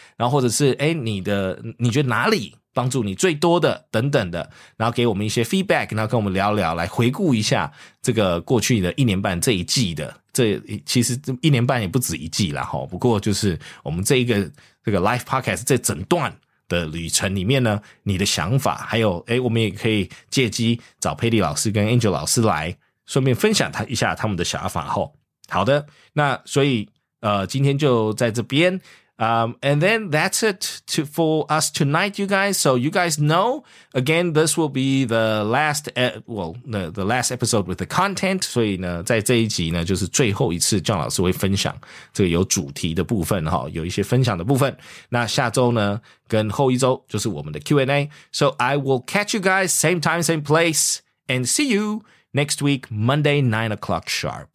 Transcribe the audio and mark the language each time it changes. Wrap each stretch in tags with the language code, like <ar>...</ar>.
<zh>然后或者是，你觉得哪里帮助你最多的等等的，然后给我们一些 feedback, 然后跟我们聊聊，来回顾一下这个过去的一年半这一季的，这其实一年半也不止一季啦齁，不过就是我们这个 live podcast 这整段的旅程里面呢，你的想法还有我们也可以借机找佩蒂老师跟 Angel 老师来顺便分享一下他们的想法齁。好的，那所以今天就在这边。</zh> <en>And then that's it for us tonight, you guys. So you guys know, again, this will be the last episode with the content.</en> <zh>所以呢，在这一集呢，就是最后一次John老师会分享这个有主题的部分齁，有一些分享的部分。那下周呢，跟后一周就是我们的 Q&A.</zh> <en>So I will catch you guys same time, same place, and see you next week, Monday, 9 o'clock sharp.</en>